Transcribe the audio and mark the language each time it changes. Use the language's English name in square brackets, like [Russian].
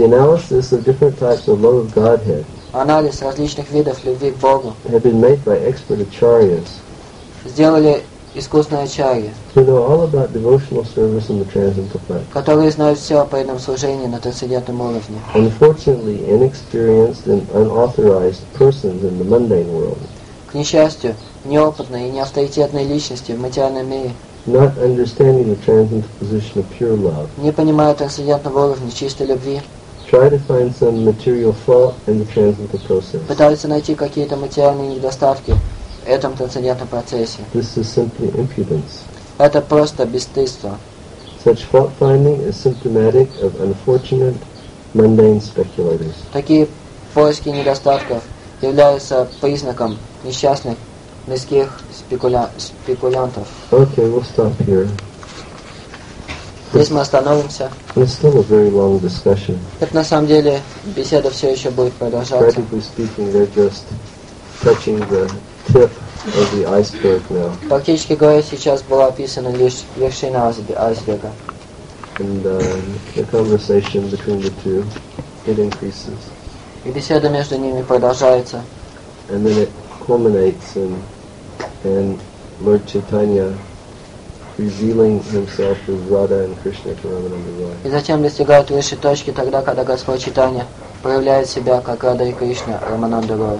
[English] The analysis of different types of love of Godhead. [Russian] Анализ различных видов любви к Богу. [English] Have been made by expert acharyas. [Russian] Сделали искусные ачарьи, [English] who know all about devotional service in the transcendental plane, [Russian] которые знают все о преданном служении на трансцендентном уровне. [English] Unfortunately, inexperienced and unauthorized persons in the mundane world. [Russian] К несчастью, неопытные и неавторитетные личности в материальном мире. [English] Not understanding the transcendental position of pure love. [Russian] Не понимая трансцендентного уровня чистой любви. [English] Try to find some material fault in the transcendental process. [Russian] Пытаются найти какие-то материальные недостатки в этом трансцендентном процессе. [English] This is simply impudence. [Russian] Это просто бесстыдство. [English] Such fault finding is symptomatic of unfortunate mundane speculators. [Russian] Такие поиски недостатков являются признаком несчастных мирских спекулянтов. [English] Okay, we'll stop here. [Russian] Здесь мы остановимся. [English] It's still a very long discussion. [Russian] Это на самом деле беседа все еще будет продолжаться. [English] Practically speaking, they're just touching the tip of the iceberg now. [Russian] Практически говоря, сейчас была описана лишь вершина айсберга. [English] And the conversation between the two, it increases. [Russian] И беседа между ними продолжается. [English] And then it culminates in and Lord Chaitanya revealing himself as Radha and Krishna to Ramana Devaya. [Russian] И затем достигает высшей точки тогда, когда Господь Чайтанья проявляет себя как Рада и Кришна Рамананда Роя.